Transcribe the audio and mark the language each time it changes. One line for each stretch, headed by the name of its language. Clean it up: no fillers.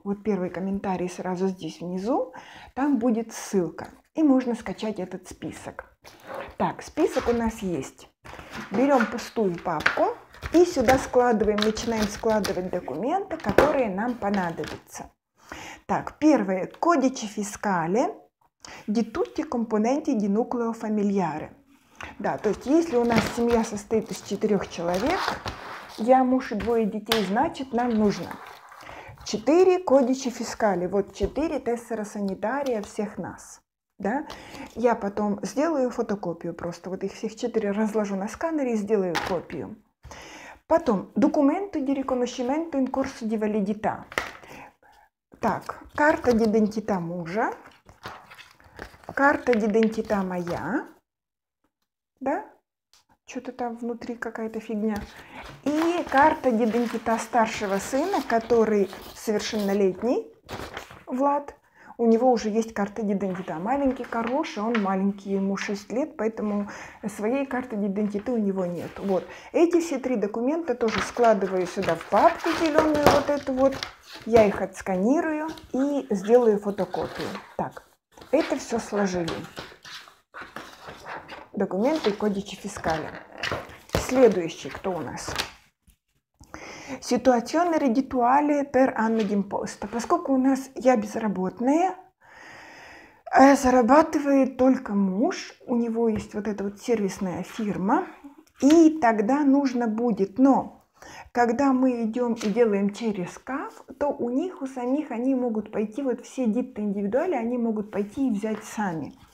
Russian: Вот первый комментарий сразу здесь внизу. Там будет ссылка. И можно скачать этот список. Так, список у нас есть. Берем пустую папку. И сюда складываем, начинаем складывать документы, которые нам понадобятся. Так, первое.
Italian: Codice fiscale di tutti i componenti di nucleo familiare.
Russian: Да, то есть если у нас семья состоит из 4 человек, я муж и двое детей, значит нам нужно 4 codice fiscale. Вот 4 tessera sanitaria всех нас. Да? Я потом сделаю фотокопию просто. Вот их всех 4 разложу на сканере и сделаю копию. Потом, документы
Italian: di riconoscimento in corso di validità.
Russian: Так, карта di identità мужа, карта di identità моя, да? Что-то там внутри какая-то фигня. И карта di identità старшего сына, который совершеннолетний, Влад. У него уже есть карта di identità. Маленький, хороший, он маленький, ему 6 лет, поэтому своей карты di identità у него нет. Вот. Эти все три документа тоже складываю сюда в папку зеленую, вот эту вот. Я их отсканирую и сделаю фотокопию. Так, это все сложили. Документы codice fiscale. Следующий, кто у нас?
Italian: Situazione reddituale per anno d'imposta.
Russian: Поскольку у нас я безработная, зарабатывает только муж, у него есть вот эта вот сервисная фирма, И тогда нужно будет, но когда мы идем и делаем через КАФ, то у них, у самих, они могут пойти, вот все дипто-индивидуали, они могут пойти и взять сами.